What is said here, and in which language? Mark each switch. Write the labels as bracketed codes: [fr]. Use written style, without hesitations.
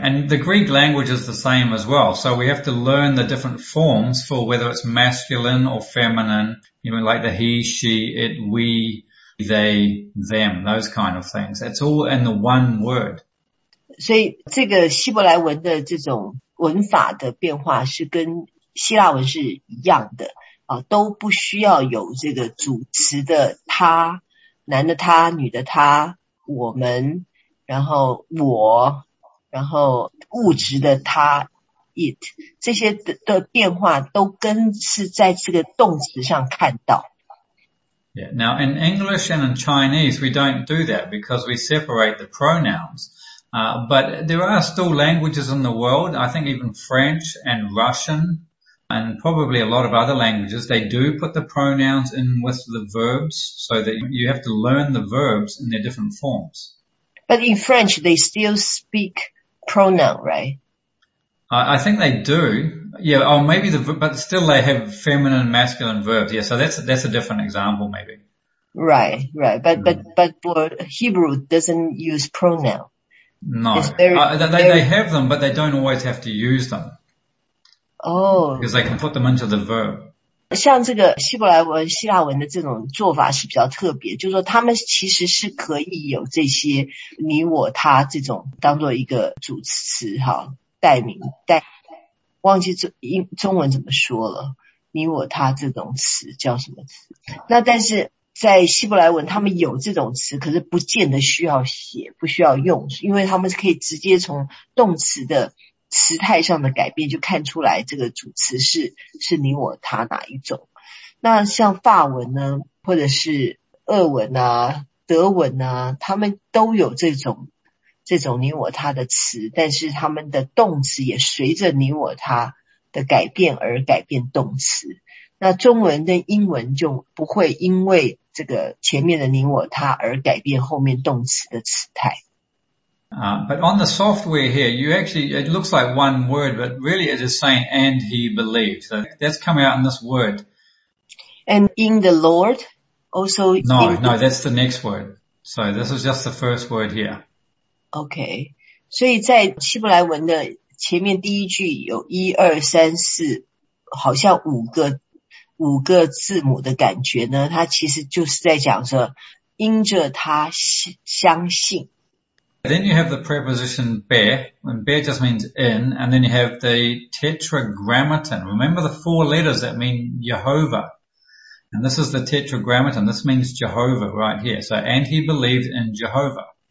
[en] and the Greek language is the same as well, so we have to learn the different forms for whether it's masculine or feminine, you know, like the he, she, it, we. They, them, those kind of things. It's all in the one word. [zh] 所以这个希伯来文的这种文法的变化是跟希腊文是一样的，都不需要有这个主词的他，男的他，女的他，我们，然后我。然后物质的他 it 这些的变化都跟是在这个动词上看到。 [en] Yeah, now in English and in Chinese, we don't do that because we separate the pronouns. But there are still languages in the world, I think even French and Russian, and probably a lot of other languages, they do put the pronouns in with the verbs so that you have to learn the verbs in their different forms. But in French, they still speak pronoun, right? I think they do. Yeah, oh, maybe but still they have feminine and masculine verbs. Yeah, so that's a different example, maybe. Right, right. But Hebrew doesn't use pronoun. No. They have them, but they don't always have to use them. Oh. Because they can put them into the verb. [zh] 像这个希伯来文、希腊文的这种做法是比较特别，就是说他们其实是可以有这些你、我、他这种当做一个主词哈。代名代忘记中文怎么说了，你我他这种词叫什么词，那但是在希伯来文他们有这种词，可是不见得需要写，不需要用，因为他们可以直接从动词的词态上的改变就看出来这个主词是你我他哪一种。那像法文呢，或者是俄文啊、德文啊，他们都有这种你我他的词，但是他们的动词也随着你我他的改变而改变动词。那中文跟英文就不会因为这个前面的你我他而改变后面动词的词态。 [en] But on the software here, you actually, it looks like one word, but really it is saying, and he believed. So that's coming out in this word. And in the Lord, also. No, that's the next word. So this is just the first word here. [zh] Okay, 所以在希伯来文的前面第一句有一二三四，好像五个字母的感觉呢，它其实就是在讲说，因着他相信。 [en] Then you have the preposition be, and be just means in, and then you have the tetragrammaton. Remember the four letters that mean Jehovah, and this is the tetragrammaton. This means Jehovah right here. So, and he believed in Jehovah.